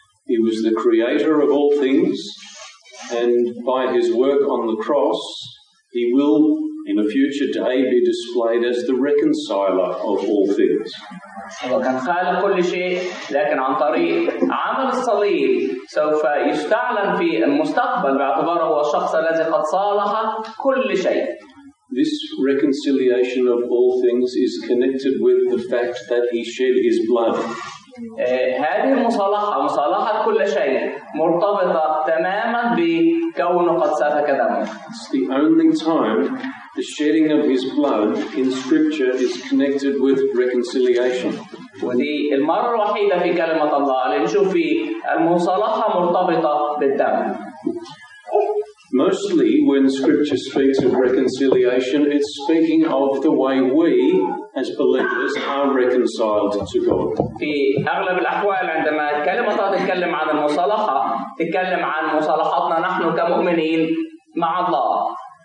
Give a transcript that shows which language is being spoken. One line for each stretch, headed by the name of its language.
English: He was the creator of all things, and by his work on the cross, he will in a future day be displayed as the reconciler of all things.
Arabic: وكان خالق كل شيء، لكن عن طريق عمل الصليب سوف يستعلن في المستقبل باعتباره هو الشخص الذي قد صالح كل شيء.
English: This reconciliation of all things is connected with the fact that he shed his blood.
Arabic: هذه المصالحة، مصالحة كل شيء، مرتبطة تماما بكونه قد سفك دمه.
English: It's the only time the shedding of his blood in scripture is connected with reconciliation.
Arabic: ودي المرة الوحيدة في كلمة الله اللي نشوف في المصالحة مرتبطة بالدم.
English: Mostly when scripture speaks of reconciliation, it's speaking of the way we as believers are reconciled to God.
Arabic: في اغلب الاحوال عندما كلمة الله تتكلم عن المصالحة تتكلم عن مصالحتنا نحن كمؤمنين مع الله.